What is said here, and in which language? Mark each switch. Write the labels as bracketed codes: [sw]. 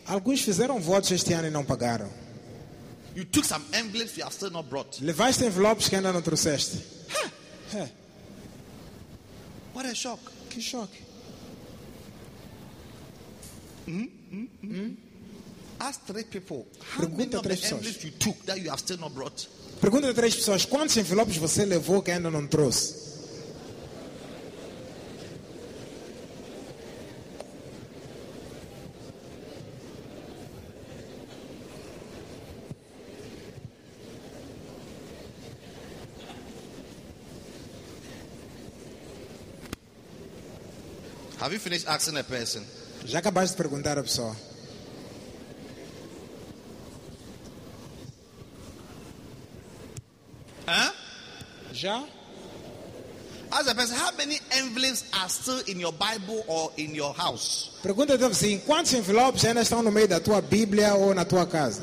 [pt] Alguns fizeram votos este ano e não pagaram. [en] You took some envelopes you have still not brought. [pt] Levaste envelopes que ainda não trouxeste. [en] What a shock. [pt] Que choque. [en] Ask three people. [pt] Pergunta a três pessoas. [en] How many envelopes you took that you have still not brought? [pt] Pergunta a três pessoas, quantos envelopes você levou que ainda não trouxe? [en] Have you finished asking a person? [pt] Já acabaste de perguntar à pessoa. Já? [en] As a person, how many envelopes are still in your Bible or in your house? [pt] Pergunta a você, quantos envelopes ainda estão no meio da tua Bíblia ou na tua casa?